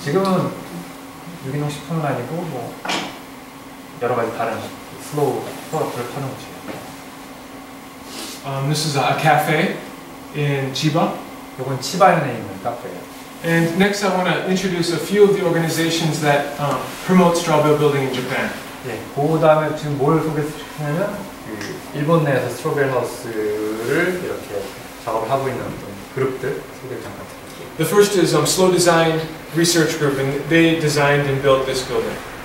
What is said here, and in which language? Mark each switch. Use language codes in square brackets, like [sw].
[ko] 지금은 유기농 식품은 아니고 뭐 여러 가지 다른 슬로우 프로덕트를 파는 곳이에요. [en] This is a cafe in Chiba. [ko] 이건 치바현에 있는 카페예요. [en] And next, I want to introduce a few of the organizations that promote straw bale building in Japan. [ko] 예, 그 다음에 지금 뭘 소개하냐면 그 일본 내에서 스트로베일 하우스를 이렇게 작업을 하고 있는 어떤 그룹들 소개를 잠깐 드릴게요. [en] The first is Slow Design Research Group, and they designed and built this building.